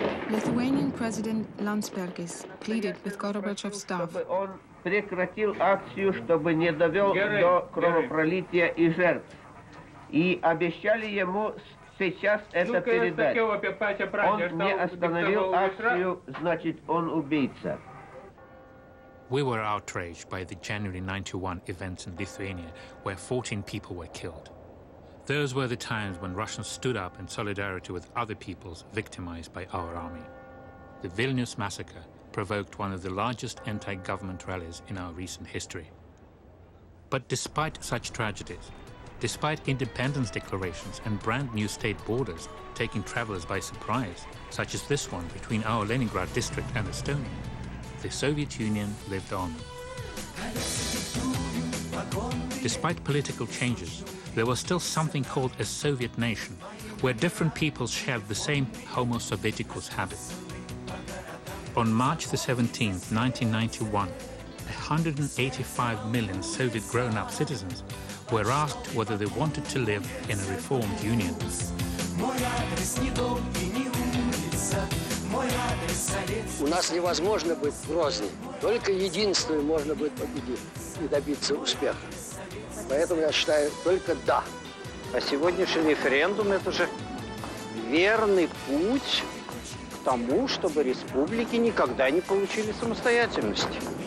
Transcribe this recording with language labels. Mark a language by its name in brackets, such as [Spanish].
[English] Lithuanian president Landsbergis pleaded with Gorbachev's staff. [Russian] Он прекратил акцию, чтобы не довел до кровопролития и жертв. И обещали ему сейчас это передать. Он не остановил акцию, значит, он убийца. [English] We were outraged by the January 91 events in Lithuania, where 14 people were killed. Those were the times when Russians stood up in solidarity with other peoples victimized by our army. The Vilnius massacre provoked one of the largest anti-government rallies in our recent history. But despite such tragedies, despite independence declarations and brand new state borders taking travelers by surprise, such as this one between our Leningrad district and Estonia, the Soviet Union lived on. Despite political changes, there was still something called a Soviet nation, where different peoples shared the same Homo Sovieticus habit. On March the 17th, 1991, 185 million Soviet grown-up citizens were asked whether they wanted to live in a reformed union. [Russian] У нас невозможно быть грозным. Только единственное можно будет победить и добиться успеха. Поэтому я считаю, только да. А сегодняшний референдум – это же верный путь к тому, чтобы республики никогда не получили самостоятельности.